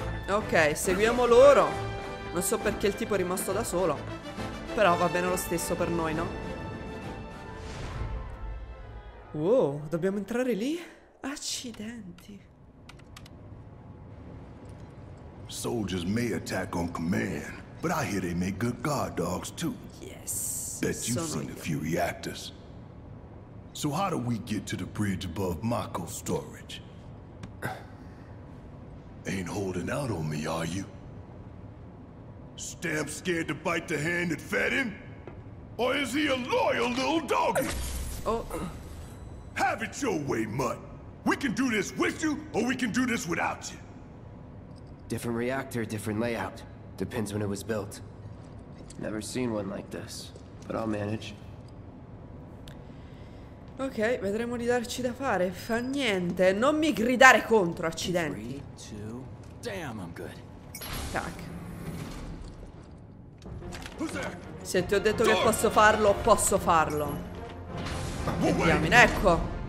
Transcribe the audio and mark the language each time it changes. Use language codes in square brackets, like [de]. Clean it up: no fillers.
[it] Ok, seguiamo loro. Non so perché il tipo è rimasto da solo. Però va bene lo stesso per noi, no? Wow, dobbiamo entrare lì? Accidenti. [en] Soldiers may attack on command, but I hear they make good guard dogs too. Yes. Bet you've seen a few reactors. So how do we get to the bridge above Mako storage? Ain't holding out on me, are you? Stamp scared to bite the hand that fed him? Or is he a loyal little doggy? Oh. Have it your way, Mutt. We can do this with you, or we can do this without you. Different reactor, different layout. Depends when it was built. Never seen one like this, but I'll manage. [it] Ok, vedremo di darci da fare. Fa niente. Non mi gridare contro, accidenti. [en] 3, 2... Damn, I'm good. Tac. [it] Se ti ho detto che posso farlo, posso farlo. Andiamo in, ecco.